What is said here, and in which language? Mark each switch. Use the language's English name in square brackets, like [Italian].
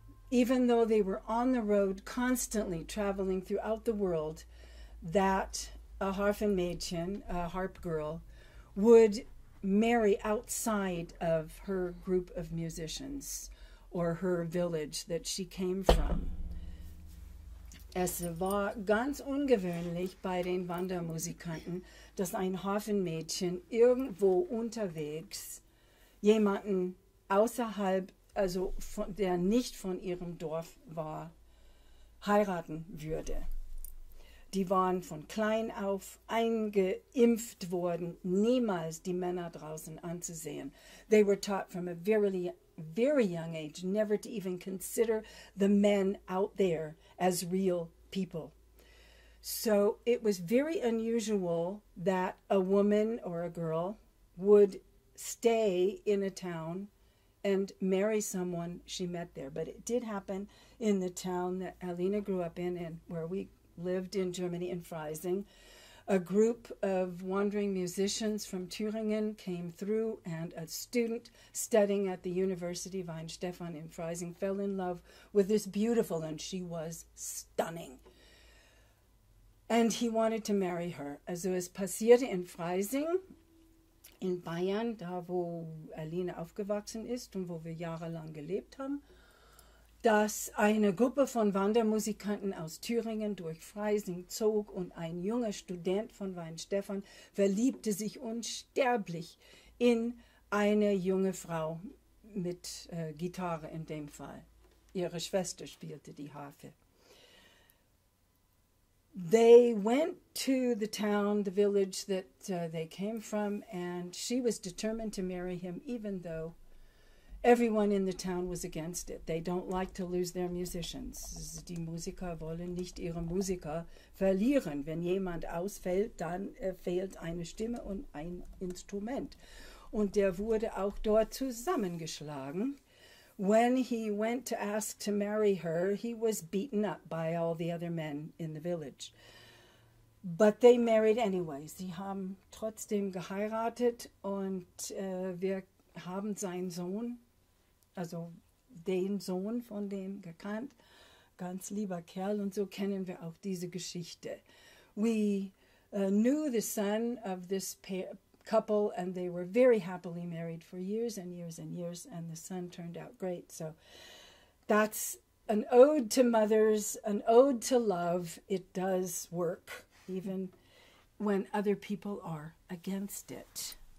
[English] Even though they were on the road constantly traveling throughout the world, that a Harfenmädchen, a harp girl, would marry outside of her group of musicians or her village that she came from. [German] Es war ganz ungewöhnlich bei den Wandermusikanten, dass ein Hafenmädchen irgendwo unterwegs jemanden außerhalb, also von, der nicht von ihrem Dorf war, heiraten würde. Die waren von klein auf eingeimpft worden, niemals die Männer draußen anzusehen. [English] They were taught from a very, very young age never to even consider the men out there as real people. So it was very unusual that a woman or a girl would stay in a town and marry someone she met there. But it did happen in the town that Alina grew up in and where we lived in Germany in Freising. A group of wandering musicians from Thüringen came through, and a student studying at the University of Weinstephan in Freising fell in love with this beautiful, and she was stunning. And he wanted to marry her. [German] Also es passierte in Freising, in Bayern, da wo Aline aufgewachsen ist und wo wir jahrelang gelebt haben, dass eine Gruppe von Wandermusikanten aus Thüringen durch Freising zog und ein junger Student von Weinstephan verliebte sich unsterblich in eine junge Frau mit Gitarre in dem Fall. Ihre Schwester spielte die Harfe. [English] They went to the town, the village that they came from, and she was determined to marry him, even though everyone in the town was against it. They don't like to lose their musicians. [German] Die Musiker wollen nicht ihre Musiker verlieren. Wenn jemand ausfällt, dann fehlt eine Stimme und ein Instrument. Und der wurde auch dort zusammengeschlagen. [English] When he went to ask to marry her, he was beaten up by all the other men in the village. But they married anyway. [German] Sie haben trotzdem geheiratet und wir haben seinen Sohn, also den Sohn von dem, gekannt. Ganz lieber Kerl, und so kennen wir auch diese Geschichte. [English] We knew the son of this couple, and they were very happily married for years and years and years, and the son turned out great. So that's an ode to mothers, an ode to love. It does work, even when other people are against it.